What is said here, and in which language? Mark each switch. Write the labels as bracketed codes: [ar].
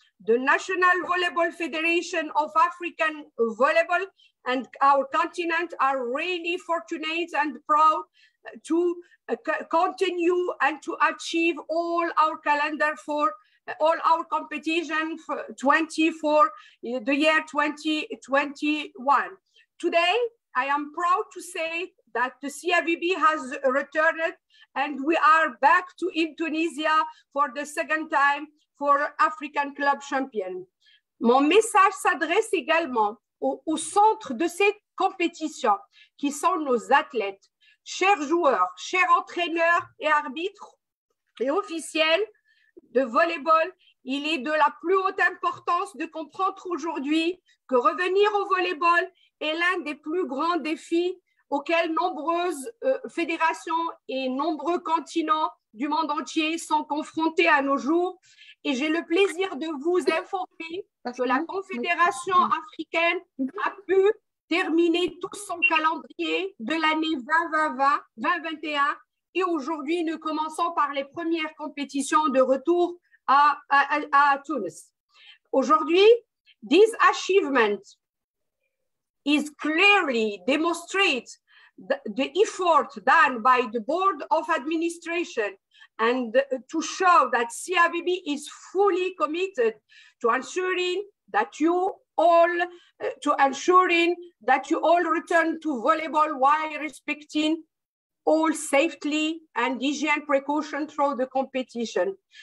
[en] The National Volleyball Federation of African Volleyball and our continent are really fortunate and proud to continue and to achieve all our calendar for all our competition for 24, the year 2021. Today, I am proud to say that the CIVB has returned and we are back to Indonesia for the second time for African Club Champion. [fr] Mon message s'adresse également au centre de cette compétition, qui sont nos athlètes, chers joueurs, chers entraîneurs et arbitres et officiels de volleyball. Il est de la plus haute importance de comprendre aujourd'hui que revenir au volleyball est l'un des plus grands défis auxquels nombreuses fédérations et nombreux continents du monde entier sont confrontés à nos jours. Et j'ai le plaisir de vous informer que la Confédération africaine a pu terminer tout son calendrier de l'année 2020-2021 et aujourd'hui, nous commençons par les premières compétitions de retour à Tunis. [en] Aujourd'hui, this achievement is clearly demonstrate the effort done by the Board of Administration and to show that CIVB is fully committed to ensuring that you all return to volleyball while respecting all safety and hygiene precaution through the competition.